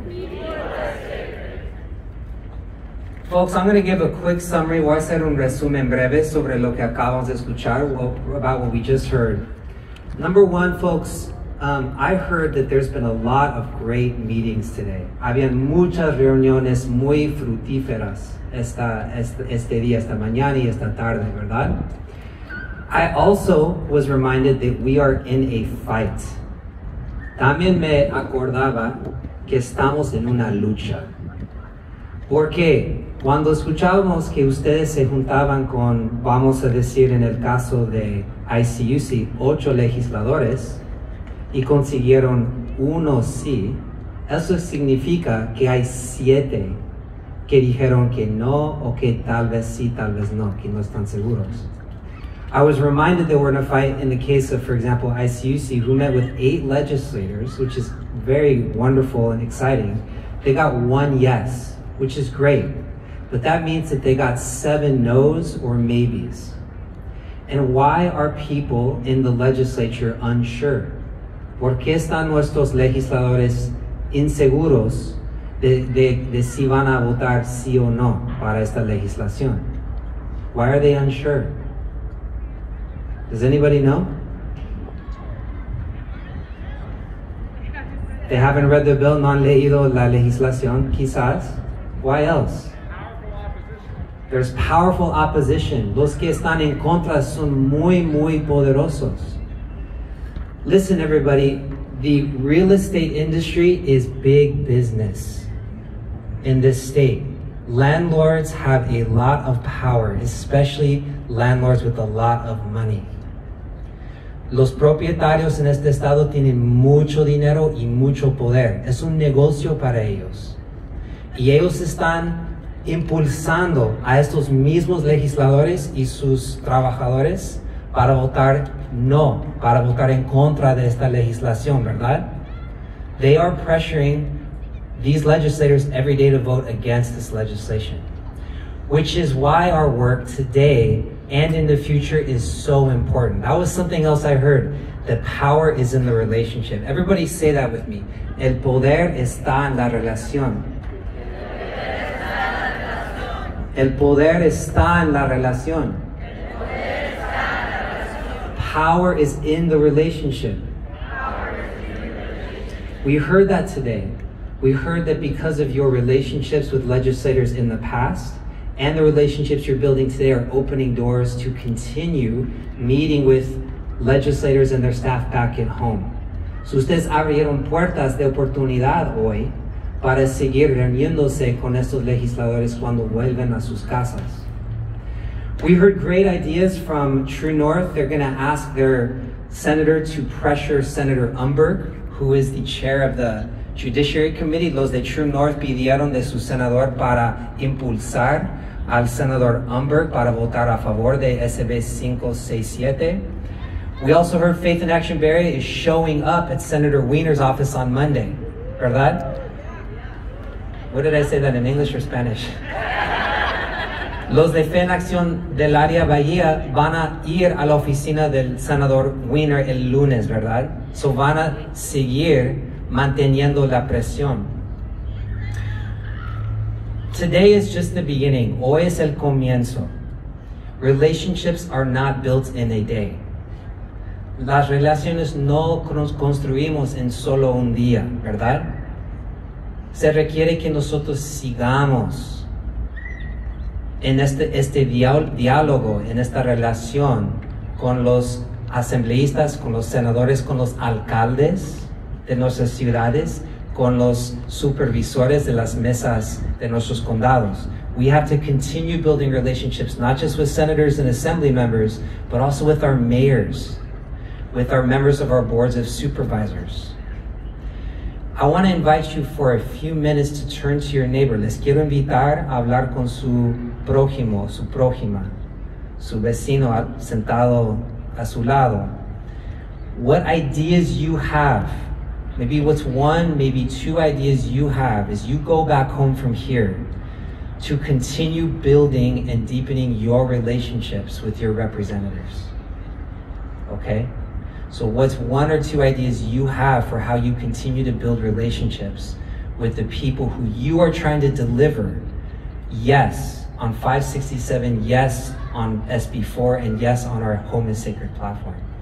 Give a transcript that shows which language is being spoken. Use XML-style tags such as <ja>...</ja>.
<en>People are sacred. Folks, I'm going to give a quick summary.</en> <es>Voy a hacer un resumen breve sobre lo que acabamos de escuchar,</es> <en>about what we just heard. Number one, folks, I heard that there's been a lot of great meetings today.</en> <es>Habían muchas reuniones muy fructíferas. Este día, esta mañana y esta tarde, ¿verdad?</es> <en>I also was reminded that we are in a fight.</en> <es>También me acordaba que estamos en una lucha. Porque cuando escuchábamos que ustedes se juntaban con, vamos a decir, en el caso de ICUC, 8 legisladores y consiguieron 1 sí, eso significa que hay 7 que dijeron que no, o que tal vez sí, tal vez no, que no están seguros.</es> <en>I was reminded that we're in a fight in the case of, for example, ICUC, who met with 8 legislators, which is very wonderful and exciting. They got 1 yes, which is great. But that means that they got 7 no's or maybes. And why are people in the legislature unsure?</en> <es>¿Por qué están nuestros legisladores inseguros de si van a votar sí o no para esta legislación?</es> <en>Why are they unsure? Does anybody know? They haven't read the bill,</en> <es>no han leído la legislación, quizás.</es> <en>Why else? There's powerful opposition.</en> <es>Los que están en contra son muy, muy poderosos.</es> <en>Listen, everybody, the real estate industry is big business. In this state, landlords have a lot of power, especially landlords with a lot of money.</en> <es>Los propietarios en este estado tienen mucho dinero y mucho poder. Es un negocio para ellos. Y ellos están impulsando a estos mismos legisladores y sus trabajadores para votar no, para votar en contra de esta legislación, ¿verdad?</es> <en>They are pressuring these legislators every day to vote against this legislation, which is why our work today and in the future is so important. That was something else I heard. The power is in the relationship. Everybody say that with me.</en> <es>El poder está en la relación. El poder está en la relación.</es> <en>Power is in the relationship. We heard that today. We heard that because of your relationships with legislators in the past and the relationships you're building today are opening doors to continue meeting with legislators and their staff back at home.</en> <es>So ustedes abrieron puertas de oportunidad hoy para seguir reuniéndose con estos legisladores cuando vuelven a sus casas.</es> <en>We heard great ideas from True North. They're going to ask their senator to pressure Senator Umberg, who is the chair of the Judiciary Committee.</en> <es>Los de True North pidieron de su senador para impulsar al senador Umberg para votar a favor de SB 567.</es> <en>We also heard Faith in Action Barry is showing up at Senator Wiener's office on Monday.</en> <es>¿Verdad?</es> <en>What did I say that in English or Spanish?</en> <es>Los de Fe en Acción del área Bahía van a ir a la oficina del senador Wiener el lunes, ¿verdad? So van a seguir manteniendo la presión.</es> <en>Today is just the beginning.</en> <es>Hoy es el comienzo.</es> <en>Relationships are not built in a day.</en> <es>Las relaciones no construimos en solo un día, ¿verdad? Se requiere que nosotros sigamos en este diálogo, en esta relación con los asambleístas, con los senadores, con los alcaldes, de nuestras ciudades con los supervisores de las mesas de nuestros condados.</es> <en>We have to continue building relationships, not just with senators and assembly members, but also with our mayors, with our members of our boards of supervisors. I want to invite you for a few minutes to turn to your neighbor. Les quiero invitar a hablar con su prójimo, su prójima, su vecino sentado a su lado. What ideas you have, maybe what's one, maybe two ideas you have as you go back home from here to continue building and deepening your relationships with your representatives, okay? So what's one or two ideas you have for how you continue to build relationships with the people who you are trying to deliver yes on 567, yes on SB4, and yes on our Home is Sacred platform?</en>